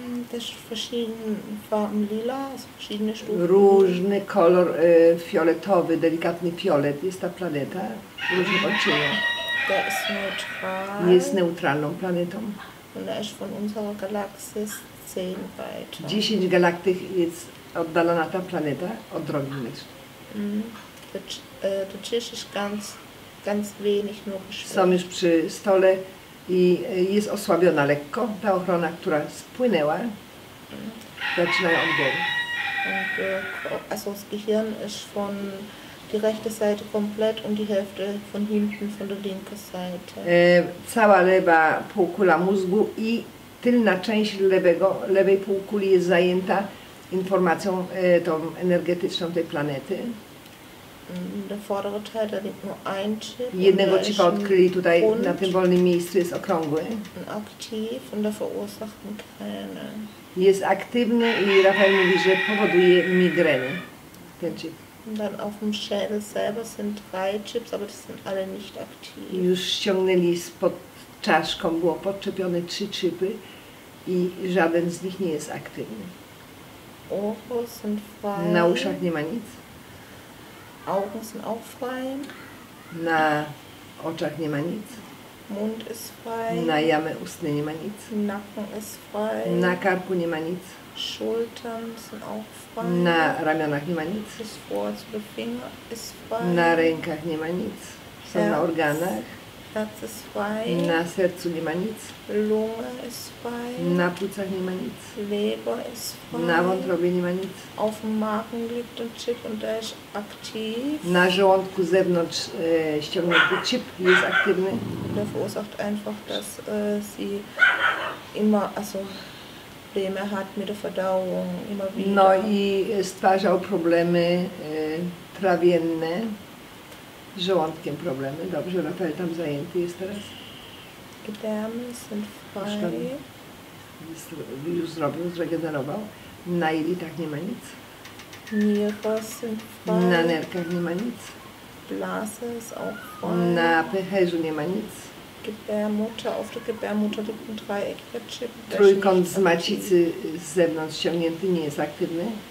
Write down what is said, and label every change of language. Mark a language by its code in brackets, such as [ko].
[de] Też verschiedene Farben lila, verschiedene Stufen. [pl] Różny kolor fioletowy, delikatny fiolet jest ta planeta. Różny odcienie. [de] Der ist neutral. [pl] Jest neutralną planetą. [de] Und er ist von unserer Galaxis 10 weiter. [pl] 10 galaktyk jest oddalona ta planeta od drogi mleczne. [de] Der Tisch ist ganz wenig nur geschwächt. [pl] Są już przy stole. I jest osłabiona lekko ta ochrona, która spłynęła, zaczyna ją odbierać. [de] Und, also das Gehirn ist von die rechte Seite komplett und die Hälfte von hinten von der linken Seite. [pl] Cała lewa półkula mózgu i tylna część lewej półkuli jest zajęta informacją tą energetyczną tej planety. [de] Der vordere Teil, da liegt nur ein Chip. [pl] Jednego Chipa odkryli tutaj na tym wolnym miejscu, jest okrągły. [de] Aktiv und der verursacht Migräne. [pl] Jest aktywny i Rafael mówi, że powoduje migreny. Ten chip. [de] Dann auf dem Schädel selber sind drei Chips, aber die sind alle nicht aktiv. [pl] Już ściągnęli spod czaszką, było podczepione trzy chipy i żaden z nich nie jest aktywny. [de] Oho, sind frei. [pl] Na uszach nie ma nic. [de] Augen sind auch frei. [pl] Na oczach nie ma nic. [de] Mund ist frei. [pl] Na jamy ustnej nie ma nic. [de] Nacken ist frei. [pl] Na karku nie ma nic. [de] Schultern sind auch frei. [pl] Na ramionach nie ma nic. [de] Das Ohr zu den Fingern ist frei. [pl] Na rękach nie ma nic. Herz. Są na organach. [de] Herz ist frei. [pl] Na sercu nie ma nic. [de] Lunge ist frei. [pl] Na płucach nie ma nic. [de] Leber ist frei. [pl] Na wątrobie nie ma nic. [de] Auf dem Magen liegt ein Chip und der ist aktiv. [pl] Na żołądku zewnątrz ściągnięty chip jest aktywny. [de] Der verursacht einfach, dass sie immer, also Probleme hat mit der Verdauung, immer wieder. [pl] No i stwarzał problemy trawienne. Żołądkiem problemy. Dobrze, Rafael tam zajęty jest teraz. [de] Gedärme sind frei. [pl] Już zrobił, zregenerował. Na jelitach nie ma nic. [de] Niere sind frei. [pl] Na nerkach nie ma nic. [de] Blase ist auch frei. [pl] Na pęcherzu nie ma nic. [de] Gebärmutter, auf der Gebärmutter liegt ein dreieckiger Chip. [pl] Trójkąt z macicy z zewnątrz ściągnięty nie jest aktywny.